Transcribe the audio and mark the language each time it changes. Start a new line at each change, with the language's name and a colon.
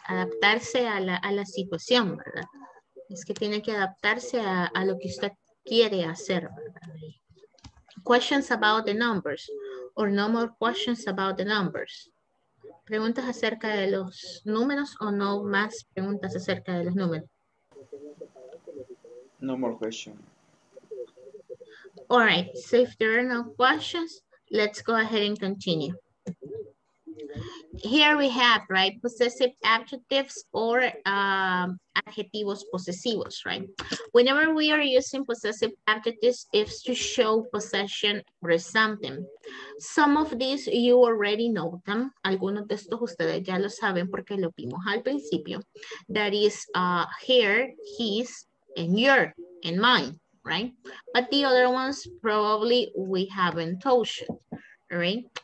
Spanish: Adaptarse a la situación, ¿verdad? Es que tiene que adaptarse a lo que usted quiere hacer, ¿verdad?
English: Questions about the numbers or no more questions about the numbers.
Spanish: preguntas acerca de los números o no más preguntas acerca de los números?
English: No more questions. All right, so if there are no questions, let's go ahead and continue. Here we have, right, possessive adjectives or
Spanish: adjetivos posesivos,
English: right? Whenever we are using possessive adjectives, it's to show possession or something. Some of these, you already know them.
Spanish: Algunos de estos ustedes ya lo saben porque lo vimos al principio.
English: That is here, his, and your, and mine, right? But the other ones, probably we haven't told you, right?